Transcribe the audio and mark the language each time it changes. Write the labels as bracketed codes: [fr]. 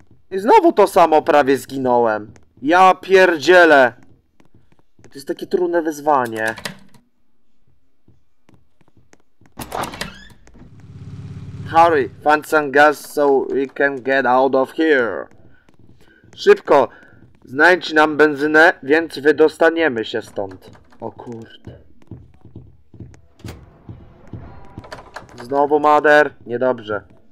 [pl] I znowu to samo, prawie zginąłem. Ja pierdzielę. To jest takie trudne wyzwanie. [en] Hurry, find some gas so we can get out of here. [pl] Szybko, znajdź nam benzynę, więc wydostaniemy się stąd. O kurde. Znowu Mother. Niedobrze.